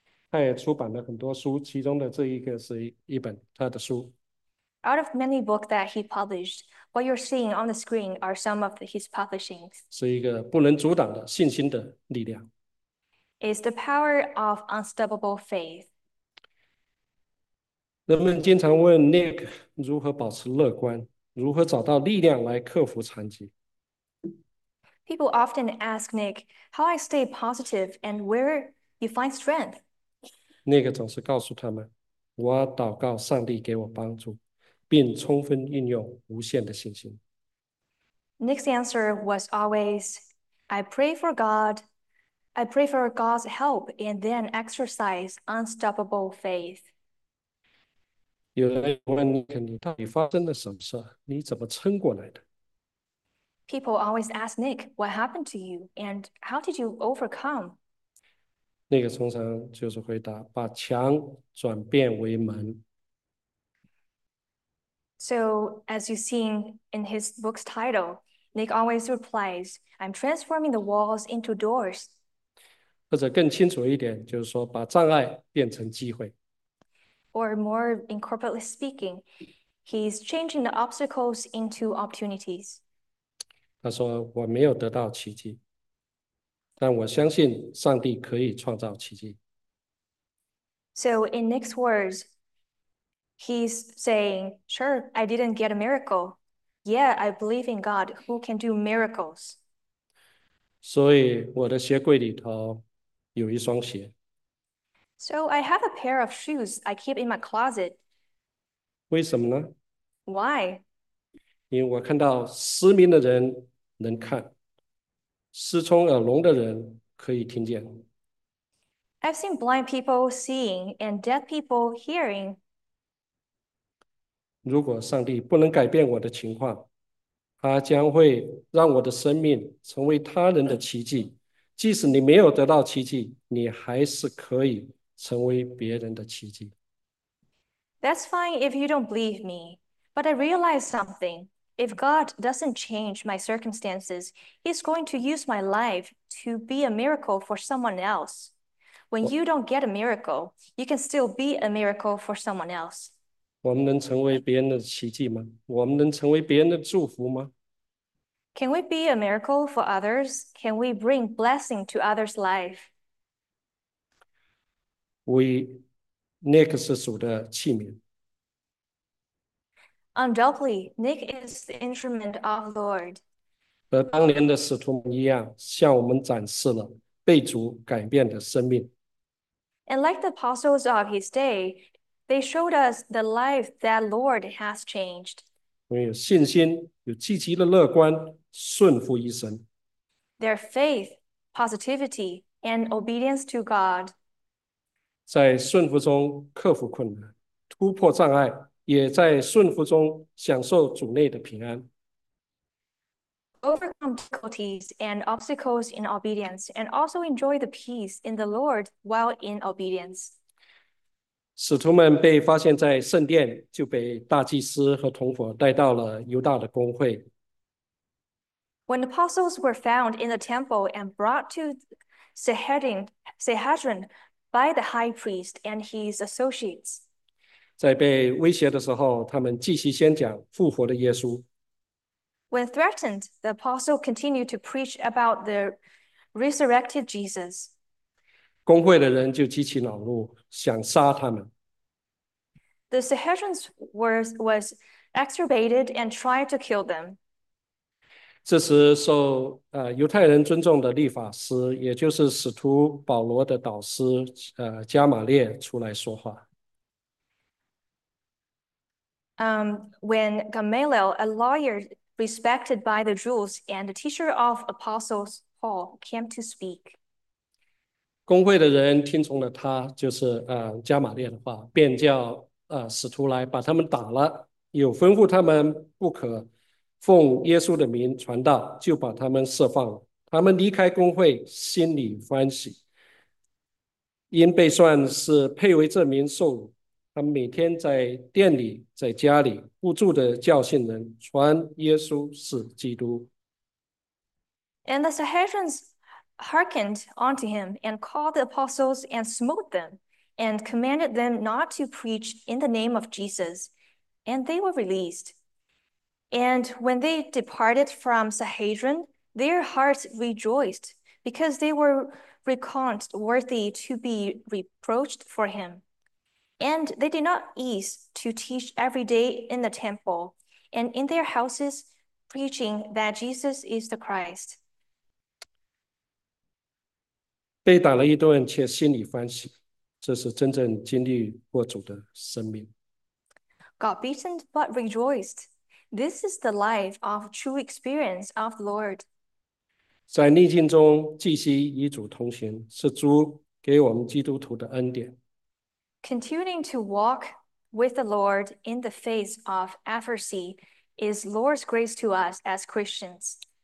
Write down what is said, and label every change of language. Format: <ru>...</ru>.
<zh>他也出版了很多书，其中的这一个是一本他的书。</zh> <en>Out of many books that he published, what you're seeing on the screen are some of his publishings.</en> <zh>是一个不能阻挡的信心的力量。</zh> <en>Is the power of unstoppable faith.</en> <zh>人们经常问 Nick 如何保持乐观，如何找到力量来克服残疾。</zh> <en>People often ask Nick how I stay positive and where you find strength.</en> <zh>Nick 总是告诉他们："我祷告上帝给我帮助，并充分运用无限的信心。"</zh> <en>Nick's answer was always, I pray for God's help and then exercise unstoppable faith.</en> <zh>有人问尼克："你到底发生了什么事？你怎么撑过来的？"</zh> <en>People always ask Nick, what happened to you and how did you overcome?</en> <zh>那个通常就是回答："把墙转变为门。"</zh> <en>So, as you've seen in his book's title, Nick always replies, I'm transforming the walls into doors.</en> <zh>或者更清楚一点，就是说把障碍变成机会。</zh> <en>Or more incorporately speaking, he's changing the obstacles into opportunities.</en> <zh>他说："我没有得到奇迹，但我相信上帝可以创造奇迹。"</zh> <en>So in Nick's words, he's saying, sure, I didn't get a miracle. Yeah, I believe in God who can do miracles.</en> <zh>所以我的鞋柜里头有一双鞋。</zh> <en>So I have a pair of shoes I keep in my closet.</en> <zh>为什么呢？</zh> <en>Why?</en> <zh>因为我看到失明的人能看，失聪耳聋的人可以听见。</zh> <en>I've seen blind people seeing and deaf people hearing.</en> <zh>如果上帝不能改变我的情况，他将会让我的生命成为他人的奇迹。即使你没有得到奇迹，你还是可以成为别人的奇迹。</zh> <en>That's fine if you don't believe me, but I realize something. If God doesn't change my circumstances, He's going to use my life to be a miracle for someone else. When you don't get a miracle, you can still be a miracle for someone else.</en> <zh>我们能成为别人的奇迹吗？我们能成为别人的祝福吗？</zh> <en>Can we be a miracle for others? Can we bring blessing to others' life? We</en> <zh>那个是主的器皿。</zh> <en>Undoubtedly, Nick is the instrument of the Lord.</en> <zh>和当年的使徒们一样，向我们展示了被主改变的生命。</zh> <en>And like the apostles of his day, they showed us the life that Lord has changed.</en> <zh>我们有信心，有积极的乐观，顺服于神。</zh> <en>Their faith, positivity, and obedience to God.</en> <zh>在顺服中克服困难，突破障碍，也在顺服中享受主内的平安。</zh> <en>Overcome difficulties and obstacles in obedience, and also enjoy the peace in the Lord while in obedience.</en> <zh>使徒们被发现在圣殿，就被大祭司和同伙带到了犹大的公会。</zh> <en>When apostles were found in the temple and brought to Sanhedrin by the high priest and his associates,</en> <zh>在被威胁的时候，他们继续宣讲复活的耶稣。</zh> <en>When threatened, the apostle continued to preach about the resurrected Jesus.</en> <zh>公会的人就极其恼怒，想杀他们。</zh> <en>The Sanhedrin was exacerbated and tried to kill them.</en> <zh>这时受，犹太人尊重的律法师，也就是使徒保罗的导师，加马列出来说话。</zh> <en>When Gamaliel, a lawyer, respected by the Jews and the teacher of apostles Paul came to speak.</en> <zh>公会的人听从了他，就是加马列的话，便叫使徒来把他们打了，又吩咐他们不可奉耶稣的名传道，就把他们释放了。他们离开公会，心里欢喜，因被算是配为这名受辱。他们每天在殿里，在家里，不住地教训人，传耶稣是基督。</zh> <en>And the Sanhedrin's hearkened unto him and called the apostles and smote them and commanded them not to preach in the name of Jesus. And they were released. And when they departed from Sanhedrin, their hearts rejoiced because they were reckoned worthy to be reproached for him. And they did not cease to teach every day in the temple and in their houses, preaching that Jesus is the Christ.</en> <zh>被打了一顿，却心里欢喜，这是真正经历过主的生命。</zh> <en>Got beaten but rejoiced. This is the life of true experience of the Lord.</en> <zh>在逆境中继续与主同行，是主给我们基督徒的恩典。</zh> <en>Continuing to walk with the Lord in the face of adversity is Lord's grace to us as Christians.</en>